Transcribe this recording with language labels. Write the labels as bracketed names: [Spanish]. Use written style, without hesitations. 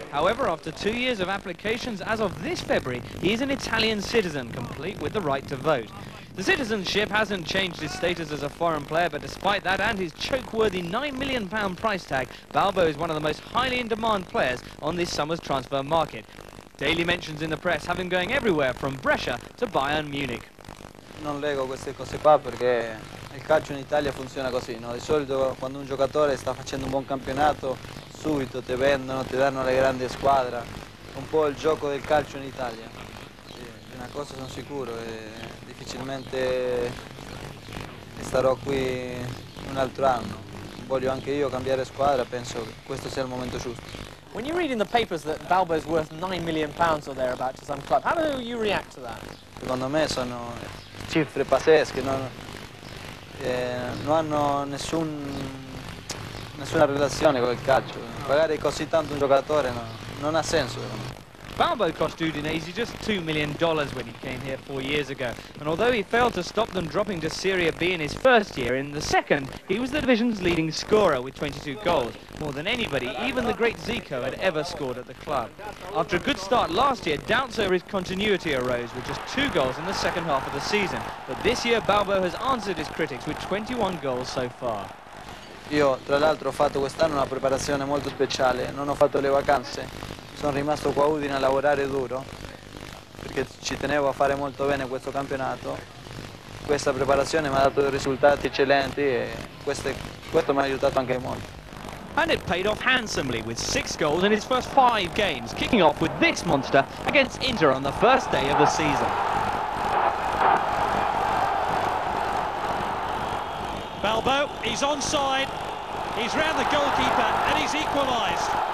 [English] However, after 2 years of applications, as of this February, he is an Italian citizen, complete with the right to vote. The citizenship hasn't changed his status as a foreign player, but despite that and his choke-worthy £9 million price tag, Balbo is one of the most highly in-demand players on this summer's transfer market. Daily mentions in the press have him going everywhere from Brescia to Bayern Munich. [Italian] Non leggo queste cose qua perché il calcio in Italia funziona così, no? Di solito quando un giocatore sta facendo un buon campionato, subito ti vendono, ti danno le grandi squadre. Un po' il gioco del calcio in Italia. Sì, una cosa sono sicuro, e difficilmente starò qui un altro anno. Voglio anche io cambiare squadra, penso che questo sia il momento giusto. [English] When you read in the papers that Balbo is worth £9 million or thereabout to some club, how do you react to that? [Italian] Secondo me sono cifre pazzesche, non hanno nessuna relazione con il calcio. Pagare così tanto un giocatore non ha senso. [English] Balbo cost Udinese just $2 million when he came here 4 years ago. And although he failed to stop them dropping to Serie B in his first year, in the second, he was the division's leading scorer with 22 goals, more than anybody, even the great Zico, had ever scored at the club. After a good start last year, doubts over his continuity arose with just 2 goals in the second half of the season. But this year, Balbo has answered his critics with 21 goals so far. [Italian] Io, tra l'altro, ho fatto quest'anno una preparazione molto speciale. Non ho fatto le vacanze. Sono rimasto qua a Udine a lavorare duro perché ci tenevo a fare molto bene questo campionato. Questa preparazione mi ha dato dei risultati eccellenti e questo mi ha aiutato anche molto. [English] And it paid off handsomely with 6 goals in his first 5 games, kicking off with this monster against Inter on the first day of the season. Balbo, he's onside, he's round the goalkeeper and he's equalised.